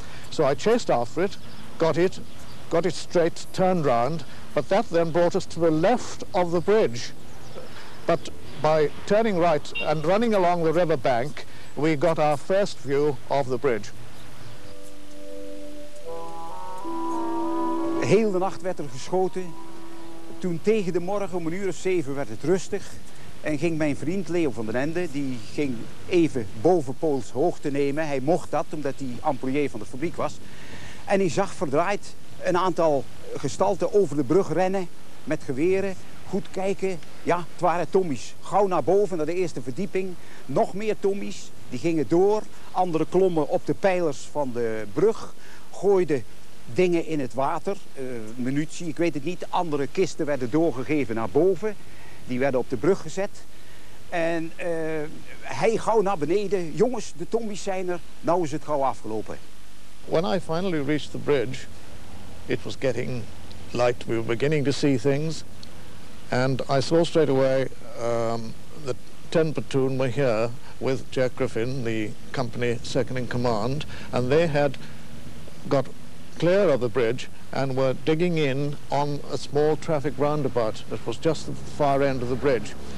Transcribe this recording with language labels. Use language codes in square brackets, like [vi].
[en] So I chased after it, got it straight, turned round, but that then brought us to the left of the bridge. But by turning right and running along the river bank, we got our first view of the bridge. [nl] Heel de nacht werd er geschoten. Toen tegen de morgen om 7:00 werd het rustig. En ging mijn vriend Leo van den Ende, die ging even boven Pools hoogte nemen. Hij mocht dat, omdat hij employé van de fabriek was. En hij zag verdraaid een aantal gestalten over de brug rennen met geweren. Goed kijken. Ja, het waren Tommies. Gauw naar boven, naar de eerste verdieping. Nog meer Tommies. Die gingen door. Andere klommen op de pijlers van de brug. Gooiden dingen in het water. Munitie, ik weet het niet. Andere kisten werden doorgegeven naar boven. Die werden op de brug gezet. En hij gauw naar beneden. Jongens, de Tommies zijn er. Nou is het gauw afgelopen. [en] When I finally reached the bridge, it was getting light. We were beginning to see things. And I saw straight away the 10 platoon were here with Jack Griffin, the company second in command. And they had got clear of the bridge and were digging in on a small traffic roundabout that was just at the far end of the bridge.